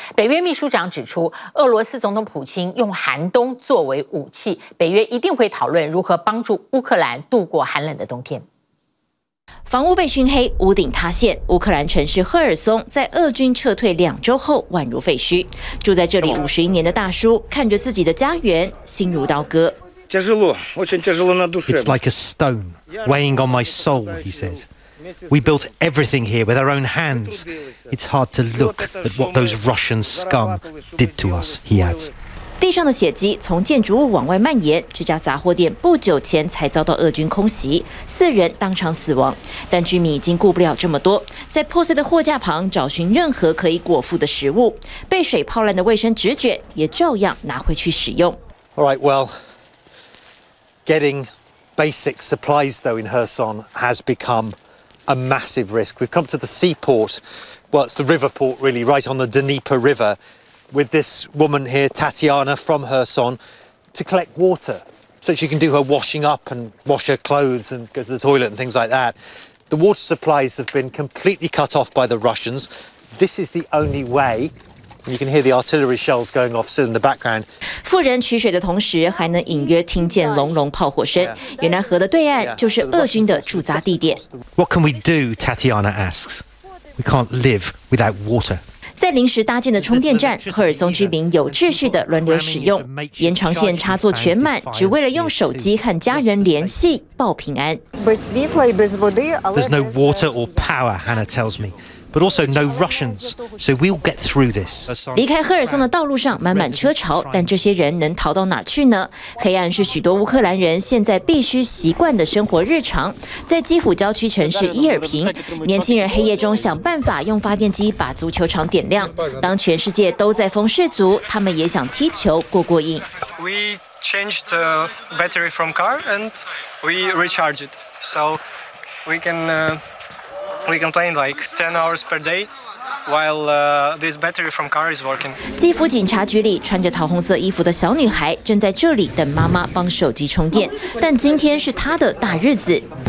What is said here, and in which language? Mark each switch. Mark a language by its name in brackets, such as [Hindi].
[Chinese] 北约秘书长指出，俄罗斯总统普京用寒冬作为武器，北约一定会讨论如何帮助乌克兰度过寒冷的冬天。房屋被熏黑，屋顶塌陷，乌克兰城市赫尔松在俄军撤退两周后宛如废墟。住在这里51年的大叔看着自己的家园，心如刀割。 [English] It's like a stone weighing on my soul, he says. We built everything here with our own hands. It's hard to look at what those Russian scum did to us, he adds. [Chinese] 地上的血迹从建筑物往外蔓延，这家杂货店不久前才遭到俄军空袭，四人当场死亡。但居民已经顾不了这么多，在破碎的货架旁找寻任何可以果腹的食物，被水泡烂的卫生纸卷也照样拿回去使用。 [English] All right, well, getting basic supplies though in Kherson has become a massive risk. We've come to the seaport, well, it's the river port really, right on the Dnieper River. With this woman here, Tatiana from Kherson, to collect water so she can do her washing up and wash her clothes and go to the toilet and things like that. The water supplies have been completely cut off by the Russians. This is the only way. You can hear the artillery shells going off still in the background. [Chinese] 富人取水的同时，还能隐约听见隆隆炮火声。原来河的对岸就是俄军的驻扎地点。 [English] What can we do? Tatiana asks. We can't live without water. [Chinese] 在临时搭建的充电站，赫尔松居民有秩序地轮流使用，延长线插座全满，只为了用手机和家人联系报平安。 [English] There's no water or power, Hannah tells me, but also no Russians, so we'll get through this. [Chinese] 离开赫尔松的道路上满满车潮，但这些人能逃到哪去呢？黑暗是许多乌克兰人现在必须习惯的生活日常。在基辅郊区城市伊尔平，年轻人黑夜中想办法用发电机把足球场点亮。当全世界都在封世足，他们也想踢球过过瘾。 [English] We changed the battery from car and we recharge it, so we can play like 10 hours per day. While this battery from car is working. [Chinese] 基辅警察局里穿着桃红色衣服的小女孩正在这里等妈妈帮手机充电，但今天是她的大日子。